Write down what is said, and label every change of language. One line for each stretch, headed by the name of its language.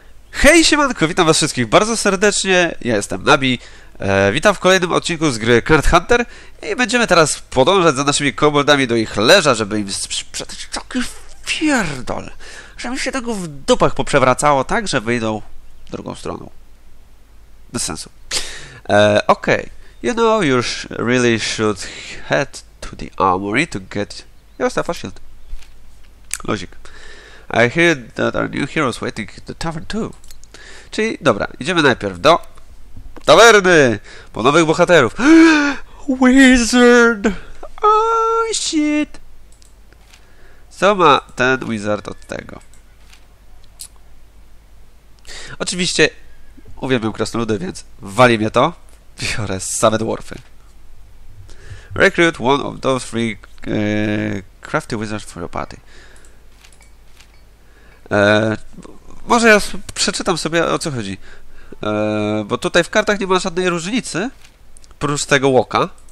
Polish: Hej, siemanko, witam was wszystkich bardzo serdecznie, ja jestem Nabi, witam w kolejnym odcinku z gry Card Hunter i będziemy teraz podążać za naszymi koboldami do ich leża, żeby im sprzedać taki pierdol, żeby się tego w dupach poprzewracało tak, że wyjdą drugą stroną. Bez sensu.
English: Okej, you know you really should head to the armory to get your stuff a shield. Logik. I hear that our new heroes waiting at the tavern too.
Polish: Czyli, dobra, idziemy najpierw do tawerny! Po nowych bohaterów. Wizard! Oh shit! Co ma ten wizard od tego? Oczywiście, uwielbiam krasnoludy, więc wali mnie to. Biorę same dwarfy.
English: Recruit one of those three crafty wizards for your party.
Polish: Może ja przeczytam sobie, o co chodzi. Bo tutaj w kartach nie ma żadnej różnicy, prócz tego łoka.